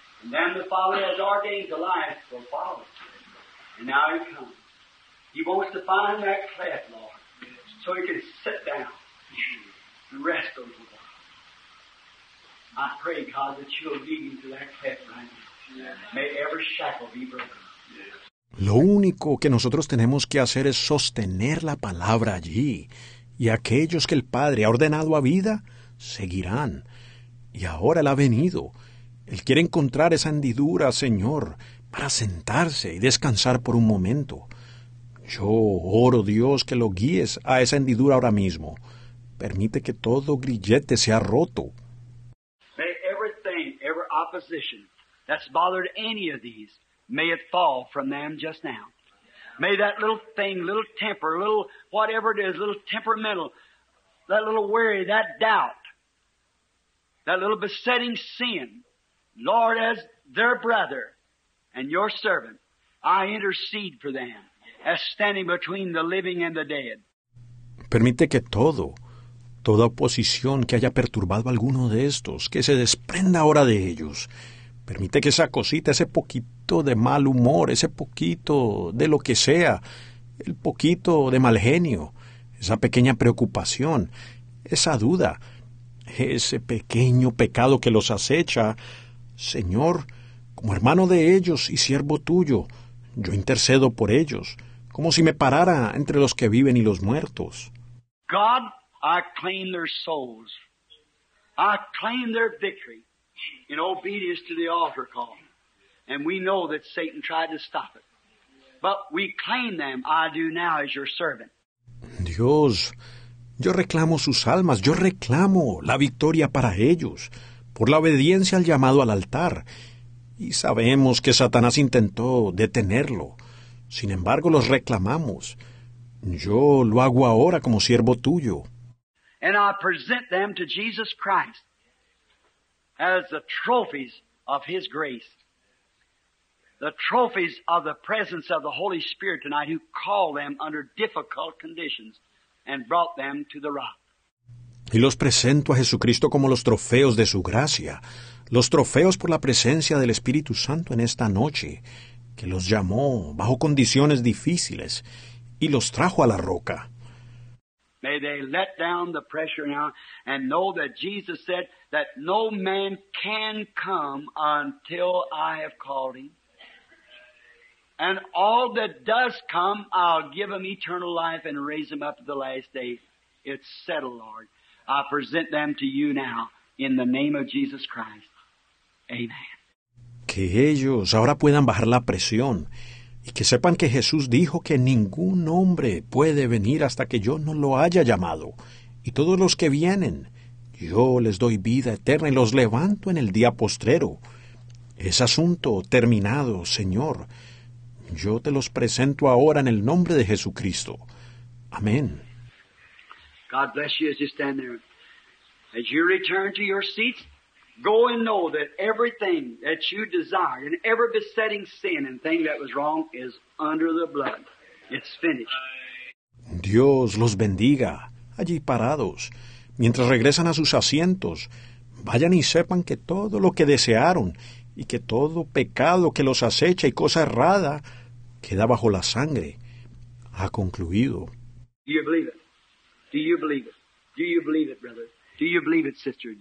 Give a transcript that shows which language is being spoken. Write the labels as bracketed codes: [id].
[en] Then the Father has ordained the life will follow. And now he comes. He wants to find that cleft, Lord, so he can sit down and rest a little while. I pray, God, that you'll lead him to that cleft right now. May every shackle be broken. [es] Lo único que nosotros tenemos que hacer es sostener la palabra allí, y aquellos que el Padre ha ordenado a vida seguirán. Y ahora Él ha venido. Él quiere encontrar esa hendidura, Señor, para sentarse y descansar por un momento. Yo oro, Dios, que lo guíes a esa hendidura ahora mismo. Permite que todo grillete sea roto. [en] May everything, every opposition that's bothered any of these, may it fall from them just now. May that little thing, little temper, little whatever it is, little temperamental, that little worry, that doubt, that little besetting sin, Lord, as their brother and your servant, I intercede for them as standing between the living and the dead. [es] Permite que toda oposición que haya perturbado a alguno de estos, que se desprenda ahora de ellos. Permite que esa cosita, ese poquito de mal humor, ese poquito de lo que sea, el poquito de mal genio, esa pequeña preocupación, esa duda, ese pequeño pecado que los acecha, Señor, como hermano de ellos y siervo tuyo, yo intercedo por ellos, como si me parara entre los que viven y los muertos. [en] God, I claim their souls. I claim their victory in obedience to the altar call. And we know that Satan tried to stop it. But we claim them, I do now, as your servant. [es] Dios, yo reclamo sus almas, yo reclamo la victoria para ellos, por la obediencia al llamado al altar. Y sabemos que Satanás intentó detenerlo. Sin embargo, los reclamamos. Yo lo hago ahora como siervo tuyo. [en] And I present them to Jesus Christ as the trophies of His grace, the trophies of the presence of the Holy Spirit tonight, who called them under difficult conditions and brought them to the rock. [es] Y los presento a Jesucristo como los trofeos de su gracia, los trofeos por la presencia del Espíritu Santo en esta noche, que los llamó bajo condiciones difíciles y los trajo a la roca. [en] May they let down the pressure now and know that Jesus said that no man can come until I have called him. And all that does come, I'll give him eternal life and raise him up to the last day. It's settled, Lord. I present them to you now in the name of Jesus Christ. Amen. [es] Que ellos ahora puedan bajar la presión. Y que sepan que Jesús dijo que ningún hombre puede venir hasta que yo no lo haya llamado. Y todos los que vienen, yo les doy vida eterna y los levanto en el día postrero. Es asunto terminado, Señor. Yo te los presento ahora en el nombre de Jesucristo. Amén. [en] God bless you as you stand there. As you return to your seats, go and know that everything that you desire and every besetting sin and thing that was wrong is under the blood. It's finished. [es] Dios los bendiga. Allí parados, mientras regresan a sus asientos, vayan y sepan que todo lo que desearon y que todo pecado que los acecha y cosa errada queda bajo la sangre. Ha concluido. [en] Do you believe it? Do you believe it? Do you believe it, brother? Do you believe it, sister?